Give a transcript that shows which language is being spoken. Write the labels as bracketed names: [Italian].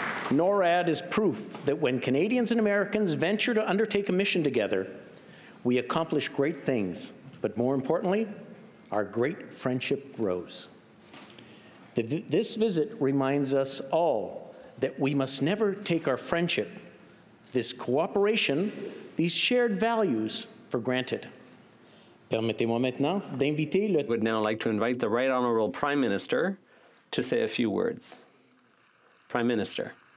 [English] NORAD is proof that when Canadians and Americans venture to undertake a mission together, we accomplish great things, but more importantly, our great friendship grows. This visit reminds us all that we must never take our friendship, this cooperation, these shared values for granted. [French] Permettez-moi maintenant d'inviter le... [English] I would now like to invite the Right Honourable Prime Minister to say a few words. Prime Minister.